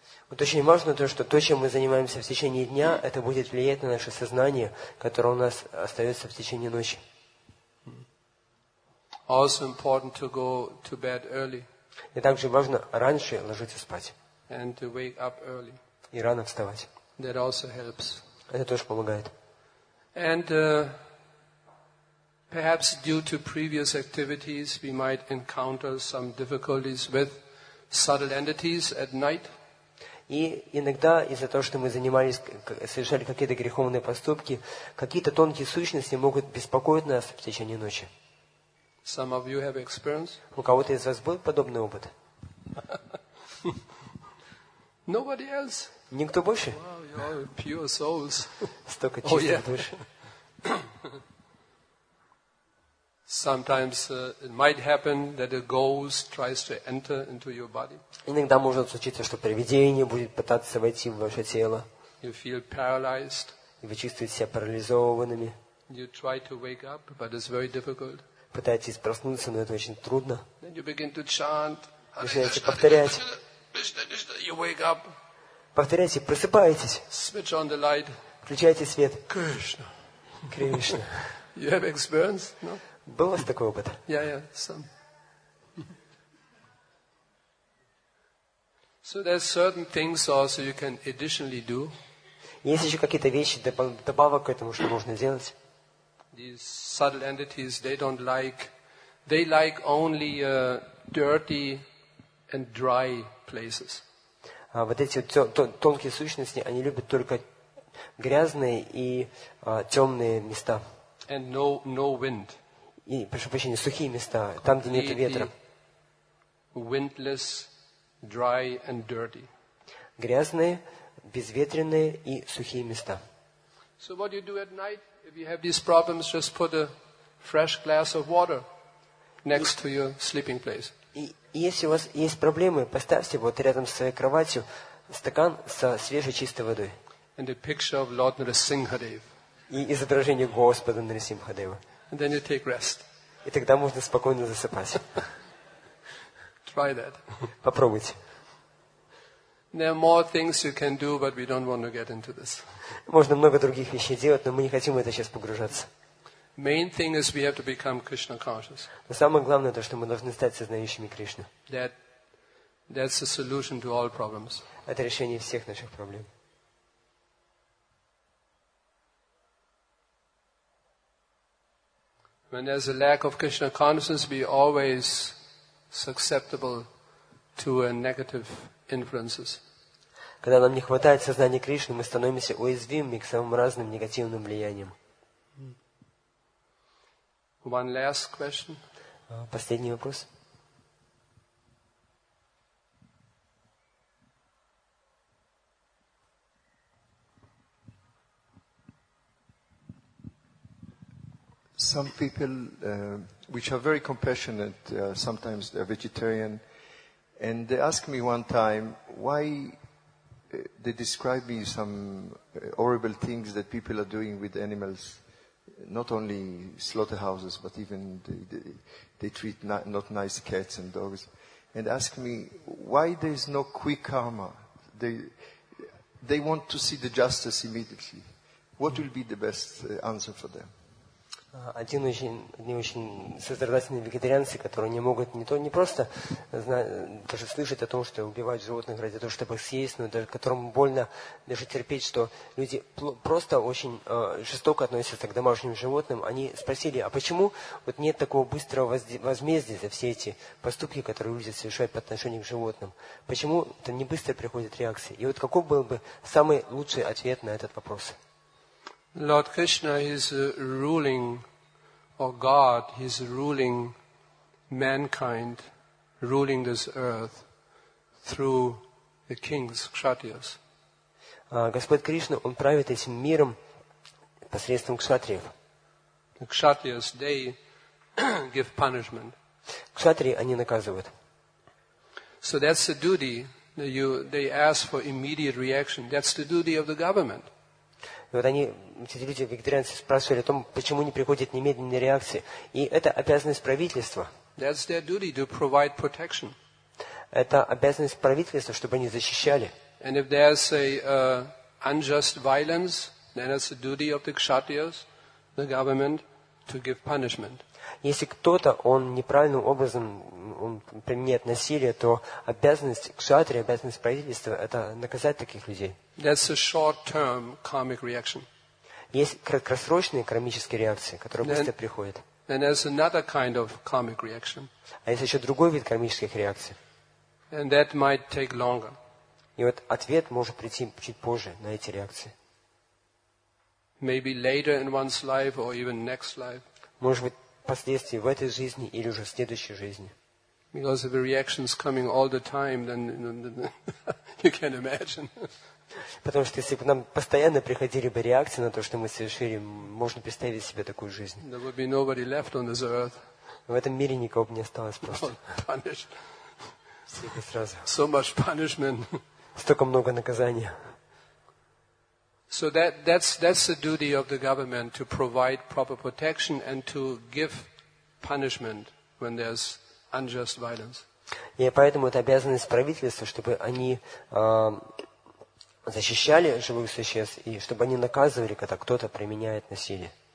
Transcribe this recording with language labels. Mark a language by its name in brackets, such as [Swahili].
[Russian] Вот очень важно то, что то, чем мы занимаемся в течение дня, это будет влиять на наше сознание, которое у нас остается в течение ночи. [English] Also important to go to bed early. [Russian] И также важно раньше ложиться спать. [English] And to wake up early. [Russian] И рано вставать. [English] That also helps. [Russian] Это тоже помогает. [English] And perhaps due to previous activities, we might encounter some difficulties with subtle entities at night. [Russian] И иногда из-за того, что мы занимались, совершали какие-то греховные поступки, какие-то тонкие сущности могут беспокоить нас в течение ночи. [English] Some of you have experience? [Russian] У кого-то из вас был подобный опыт? [English] Nobody else. [Russian] Никто больше? [English] Wow, you are pure souls. [Russian] Столько чистых душ. [English] Sometimes it might happen that a ghost tries to enter into your body. [Russian] Иногда может случиться, что привидение будет пытаться войти в ваше тело. [English] You feel paralyzed. [Russian] И вы чувствуете себя парализованными. [English] You try to wake up, but it's very difficult. [Russian] Пытаетесь проснуться, но это очень трудно. [English] Then you begin to chant. [Russian] Начинаете повторять. [English] You wake up. [Russian] Повторяйте, просыпаетесь. [English] Switch on the light. [Russian] Включайте свет. Кришна. Кришна. [English] You have experience? No? [Russian] Был у вас такой опыт? [English] Yeah, yeah, some. So there's certain things also you can additionally do. [Russian] Есть еще какие-то вещи добавок к этому, что можно сделать? [English] These subtle entities, they don't like, they like only dirty and dry places. [Russian] А вот эти тонкие сущности, они любят только грязные и темные места. [English] And no, no wind. [Russian] И, прошу прощения, сухие места, там, где нет ветра. [English] Windless, dry and dirty. [Russian] Грязные, безветренные и сухие места. [English] So what do you do at night? If you have these problems, just put a fresh glass of water next to your sleeping place. [Russian] И если у вас есть проблемы, поставьте вот рядом с своей кроватью стакан со свежей чистой водой. [English] And a picture of Lord Narasimhadev. [Russian] И изображение Господа Нарасимхадева. [English] And then you take rest. [Russian] И тогда можно спокойно засыпать. [English] Try that. [Russian] Попробуйте. [English] There are more things you can do, but we don't want to get into this. [Russian] Можно много других вещей делать, но мы не хотим в это сейчас погружаться. [English] Main thing is we have to become Krishna conscious. [Russian] Но самое главное то, что мы должны стать сознающими Кришны. [English] That's the solution to all problems. [Russian] Это решение всех наших проблем. [English] When there's a lack of Krishna consciousness, we always susceptible to a negative influences. [Russian] Когда нам не хватает сознания Кришны, мы становимся уязвимыми к самым разным негативным влияниям. [English] One last question. [Russian] Последний вопрос. [English] Some people which are very compassionate, sometimes they're vegetarian, and they asked me one time why they describe me some horrible things that people are doing with animals. Not only slaughterhouses, but even they treat not nice cats and dogs. And ask me, why there is no quick karma? They want to see the justice immediately. What will be the best answer for them? [Russian] Одни очень сострадательные вегетарианцы, которые не могут даже слышать о том, что убивают животных ради того, чтобы их съесть, но даже которым больно даже терпеть, что люди просто очень жестоко относятся к домашним животным. Они спросили, а почему вот нет такого быстрого возмездия за все эти поступки, которые люди совершают по отношению к животным? Почему это не быстро приходит реакция? И вот какой был бы самый лучший ответ на этот вопрос? [English] Lord Krishna is ruling, or God is ruling mankind, ruling this earth through the kings, kshatriyas. [Russian] Господь Кришна, Он правит этим миром посредством кшатриев. [English] The kshatriyas, they give punishment. [Russian] Кшатрии, они наказывают. [English] So that's the duty. They ask for immediate reaction. That's the duty of the government. [Russian] И вот они, эти люди, вегетарианцы, спрашивали о том, почему не приходит немедленная реакция. И это обязанность правительства. [English] That's their duty, to provide protection. [Russian] Это обязанность правительства, чтобы они защищали. [English] And if there's a unjust violence, then it's the duty of the kshatriyas, the government, to give punishment. [Russian] Если кто-то, он неправильным образом применяет насилие, то обязанность кшатрии, обязанность правительства – это наказать таких людей. [English] That's a short-term karmic reaction. [Russian] Есть краткосрочные кармические реакции, которые быстро приходят. [English] And there's another kind of karmic reaction. [Russian] А есть еще другой вид кармических реакций. [English] And that might take longer. [Russian] И вот ответ может прийти чуть позже на эти реакции. [English] Maybe later in one's life or even next life. [Russian] Может быть, последствий в этой жизни или уже в следующей жизни. [English] Because of the reactions coming all the time, then you can imagine. [Russian] Потому что если бы нам постоянно приходили бы реакции на то, что мы совершили, можно представить себе такую жизнь. [English] There would be nobody left on this earth. [Russian] В этом мире никого бы не осталось просто. [English] Punished. [Russian] Сразу. [English] So much punishment. [Russian] Столько много наказания. [English] So that's the duty of the government to provide proper protection and to give punishment when there's unjust violence. [Russian] И поэтому это обязанность правительства, чтобы они защищали живых существ и чтобы они наказывали, когда кто-то применяет насилие.